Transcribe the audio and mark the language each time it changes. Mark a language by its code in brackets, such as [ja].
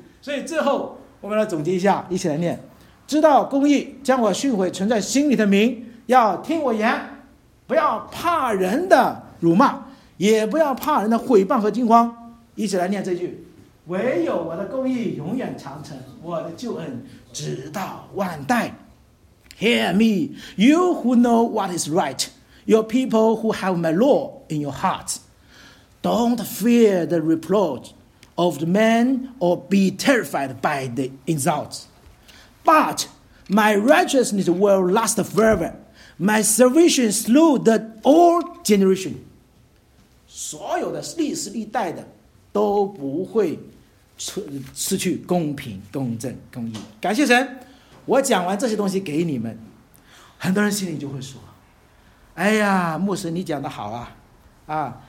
[zh] 所以最后我们来总结一下，一起来念：知道公义将我训诲存在心里的名，要听我言，不要怕人的辱骂，也不要怕人的毁谤和惊慌。一起来念这句：唯有我的公义永远长存，我的救恩直到万代。 [en] Hear me, you who know what is right, your people who have my law in your hearts. Don't fear the reproach of the man or be terrified by the insults. But my righteousness will last forever. My salvation through the old generation. [zh] 所有的历史历代的都不会失去公平、公正、公义。感谢神，我讲完这些东西给你们，很多人心里就会说：哎呀，牧师你讲的好啊，啊！